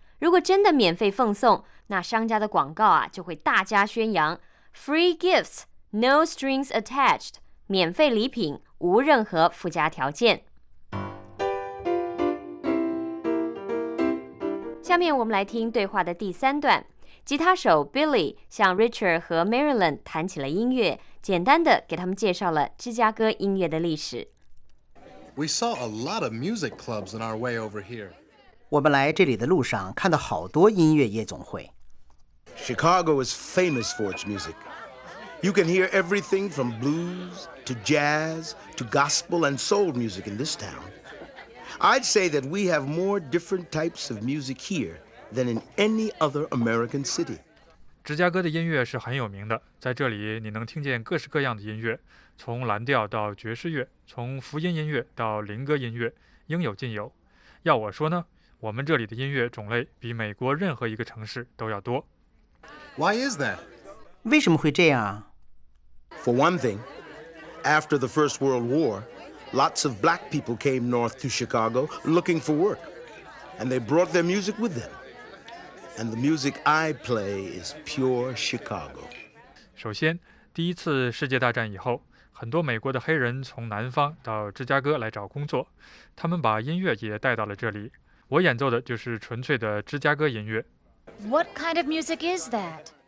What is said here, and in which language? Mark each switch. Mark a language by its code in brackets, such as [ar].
[zh] 如果真的免费奉送，那商家的广告啊就会大加宣扬 [en] Free gifts, no strings attached， [zh] 免费礼品无任何附加条件。下面我们来听对话的第三段。吉他手 Billy 向 Richard 和 Marilyn 谈起了音乐，简单的给他们介绍了芝加哥音乐的历史。 [en] We saw a lot of music clubs on our way over here。 [zh] 我们来这里的路上看到好多音乐夜总会。 [en] Chicago is famous for its music. You can hear everything from blues to jazz to gospel and soul music in this town. I'd say that we have more different types of music here than in any other American city. [zh] 芝加哥的音乐是很有名的，在这里你能听见各式各样的音乐，从蓝调到爵士乐，从福音音乐到灵歌音乐，应有尽有。要我说呢，我们这里的音乐种类比美国任何一个城市都要多。 [en] Why is that? [zh] 为什么会这样？ [en] For one thing, after the First World War, lots of black people came north to Chicago looking for work, and they brought their music with them. And the music I play is pure Chicago. [zh] 首先，第一次世界大战以后，很多美国的黑人从南方到芝加哥来找工作，他们把音乐也带到了这里。我演奏的就是纯粹的芝加哥音乐。 [en] What kind of music is that?